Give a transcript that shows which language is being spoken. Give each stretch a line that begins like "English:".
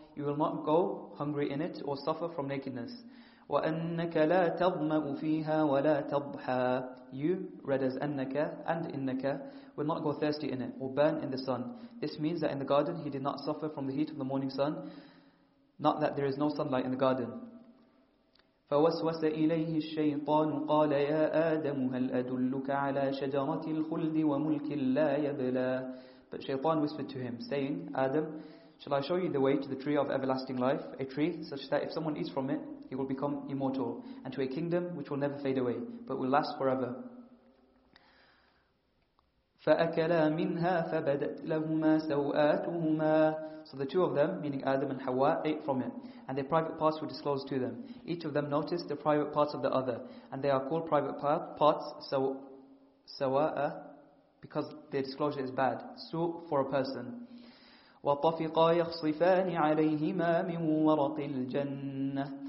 English: You will not go hungry in it or suffer from nakedness.
Arabic: وَأَنَّكَ لَا تَضْمَأُ فِيهَا وَلَا تَضْحَى.
English: You, read as أَنَّكَ and إِنَّكَ, will not go thirsty in it or burn in the sun. This means that in the garden he did not suffer from the heat of the morning sun, not that there is no sunlight in the garden.
Arabic: فوسوس إليه الشيطان قال يا آدم هل أدلك على شجرة الخلد وملك لا يبلى.
English: But Shaytan whispered to him, saying, Adam, shall I show you the way to the tree of everlasting life, a tree such that if someone eats from it, he will become immortal, and to a kingdom which will never fade away, but will last forever.
Arabic: فأكلا منها فبدت لهما سوآتهما.
English: So the two of them, meaning Adam and Hawa, ate from it, and their private parts were disclosed to them. Each of them noticed the private parts of the other, and they are called private parts, sawa'a, because their disclosure is bad, su' for a person.
Arabic: وَطَفِقَا يَخْصِفَانِ عَلَيْهِمَا مِنْ وَرَقِ الْجَنَّةِ